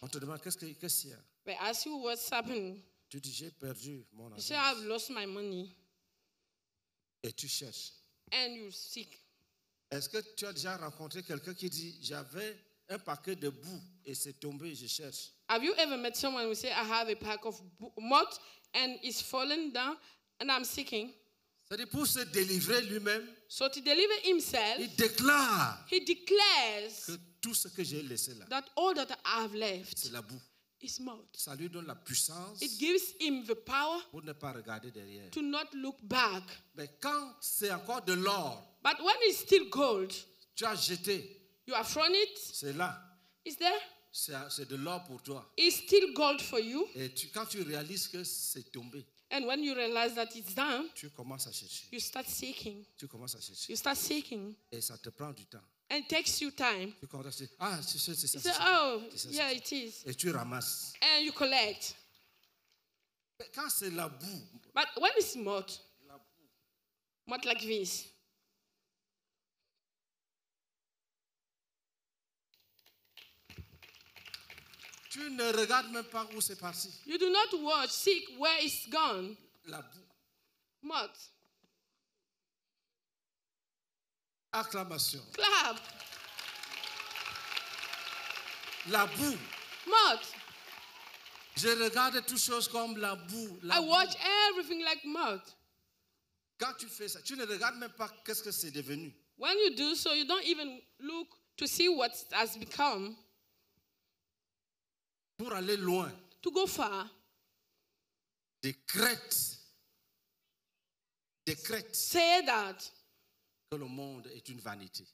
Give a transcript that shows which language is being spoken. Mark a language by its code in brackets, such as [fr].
[fr] On te demande qu'est-ce qu'il y a. [en] They ask you what's happening. [fr] Tu dis j'ai perdu mon argent. [en] You say I've lost my money. [fr] Et tu cherches. [en] And you seek. [fr] Est-ce que tu as déjà rencontré quelqu'un qui dit j'avais un paquet de boue et c'est tombé, je cherche. [en] Have you ever met someone who say I have a pack of mud and it's fallen down? And I'm seeking. [fr] C'est-à-dire pour se délivrer lui-même. [en] So to deliver himself. [fr] Il déclare. [en] He declares. [fr] Que tout ce que j'ai laissé là. [en] That all that I have left. [fr] C'est la boue. [en] Is mud. [fr] Ça lui donne la puissance. [en] It gives him the power. [fr] Pour ne pas regarder derrière. [en] To not look back. [fr] Mais quand c'est encore de l'or. [en] But when it's still gold. [fr] Tu as jeté. [en] You have thrown it. [fr] C'est là. [en] Is there? [fr] C'est de l'or pour toi. [en] It's still gold for you. [fr] Et tu, quand tu réalises que c'est tombé. [en] And when you realize that it's done, [fr] tu commences à chercher. [en] You start seeking. [fr] Tu commences à chercher. [en] You start seeking. [fr] Et ça te prend du temps. [en] And it takes you time. [fr] Tu commences à dire, ah, c'est ça. [en] You say, oh, yeah, it is. [fr] Et tu ramasses. [en] And you collect. [fr] Mais quand c'est la boue. [en] But when it's mud. [fr] La boue. [en] Mud like this. [fr] Tu ne regardes même pas où c'est parti. [en] You do not watch, seek where it's gone. [fr] La boue. [en] Mud. [fr] Acclamation. [en] Clap. [fr] La boue. [en] Mud. [fr] Je regarde toutes choses comme la boue. La [en] I watch everything like mud. [fr] Quand tu fais ça, tu ne regardes même pas qu'est-ce que c'est devenu. [en] When you do so, you don't even look to see what it has become. [fr] Pour aller loin. [en] To go far. [fr] Décrète. Décrète. [en] Say that. [fr] Que le monde est une vanité.